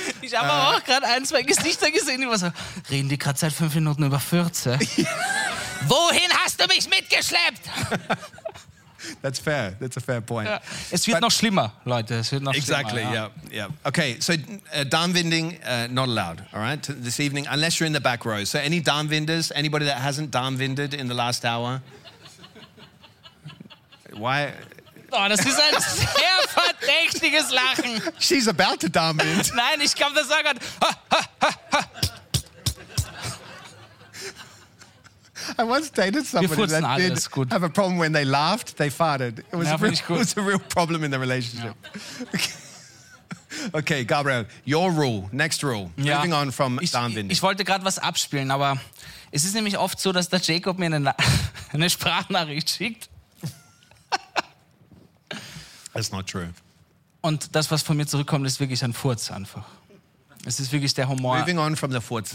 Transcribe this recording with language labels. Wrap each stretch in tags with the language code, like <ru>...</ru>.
<de>Ich habe auch gerade ein, zwei Gesichter gesehen, die waren so, reden die gerade seit 5 Minuten über Fürze? Wohin hast du mich mitgeschleppt?</de> <en>That's fair. That's a fair point. Ja.</en> <de>Es wird noch schlimmer, Leute. Es wird noch</de> <en>exactly,</en> <de>schlimmer.</de> <en>Exactly, yeah. Okay, so Darmwinding, not allowed, all right, this evening, unless you're in the back row. So any Darmwinders, anybody that hasn't Darmwinded in the last hour? Why?</en> <de>Oh, das ist ein sehr verdächtiges Lachen.</de> <en>She's about to Darmwind.</en> <de>Nein, ich kann das sagen.</de> <en>I once dated somebody that did have a problem when they laughed, they farted. It was, it was a real problem in the relationship. Yeah. Okay, Gabriel, your rule, next rule. Yeah. Moving on from Darmwind.</en> <de>Ich wollte gerade was abspielen, aber es ist nämlich oft so, dass der Jacob mir eine Sprachnachricht schickt.</de> <en>That's not true.</en> <de>Und das, was von mir zurückkommt, ist wirklich ein Furz einfach. Es ist wirklich der Humor.</de> <en>Moving on from the Furz.</en>